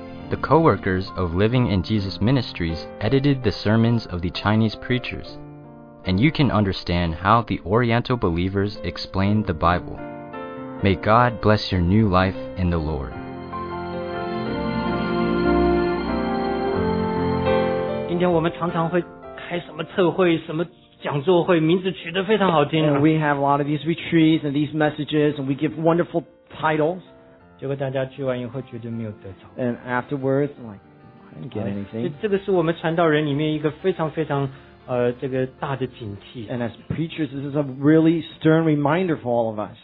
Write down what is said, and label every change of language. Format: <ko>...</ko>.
<en>The co-workers of Living in Jesus Ministries edited the sermons of the Chinese preachers, and you can understand how the Oriental believers explained the Bible. May God bless your new life in the Lord.</en> <zh>今天我们常常会开什么测会，什么讲座会，名字取得非常好听。</zh> <en>And we have a lot of these retreats and these messages, and we give wonderful titles.</en> <zh>结果大家去完以后绝对没有得着。</zh> <en>And afterwards, I'm like, I didn't get anything.</en> <zh>这个是我们传道人里面一个非常非常这个大的警惕。</zh> <en>And as preachers, this is a really stern reminder for all of us.</en>